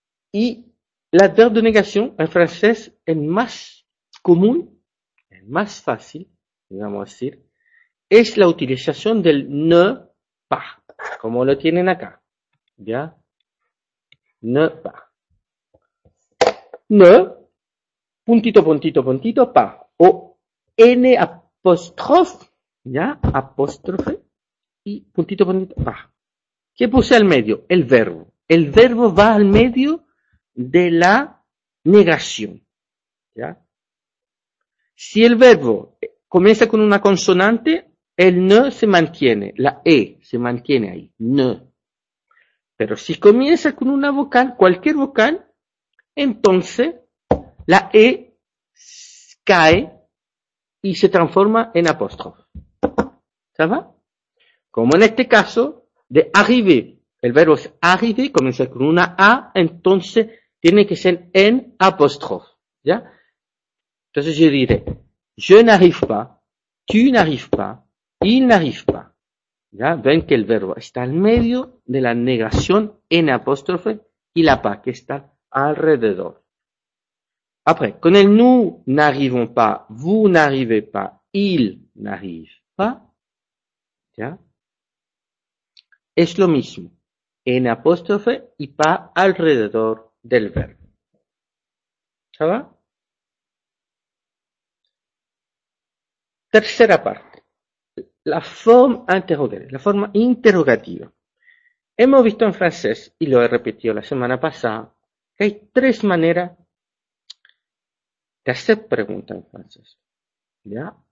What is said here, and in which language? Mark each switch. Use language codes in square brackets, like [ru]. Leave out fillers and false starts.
[es] Y l'adverbe de negación en francés es más común, es más fácil, digamos decir, es la utilización del [fr] ne pas, [es] como lo tienen acá, ¿ya? [fr] Ne pas. [es] Ne, puntito, puntito, puntito, pas. O N apóstrofe, ¿ya? Apóstrofe y puntito, puntito, va. ¿Qué puse al medio? El verbo. El verbo va al medio de la negación, ¿ya? Si el verbo comienza con una consonante, el ne se mantiene, la e se mantiene ahí, ne. Pero si comienza con una vocal, cualquier vocal, entonces la e cae y se transforma en apóstrofe. [fr] ¿Ça va? [es] Como en este caso de arriver. El verbo es arriver, comienza con una A, entonces tiene que ser en apóstrofe. ¿Ya? Entonces yo diré, [fr] je n'arrive pas, tu n'arrives pas, il n'arrive pas. [es] ¿Ya? Ven que el verbo está en medio de la negación en apóstrofe y la pa que está alrededor. [fr] Après, [es] con el [fr] nous n'arrivons pas, vous n'arrivez pas, il n'arrive pas, ¿ya? [es] Es lo mismo, en apóstrofe y pas alrededor del verbo. ¿Ya va? Tercera parte, la forma interrogativa. La forma interrogativa. Hemos visto en francés, y lo he repetido la semana pasada, que hay tres maneras de hacer preguntas en francés. ¿Ya?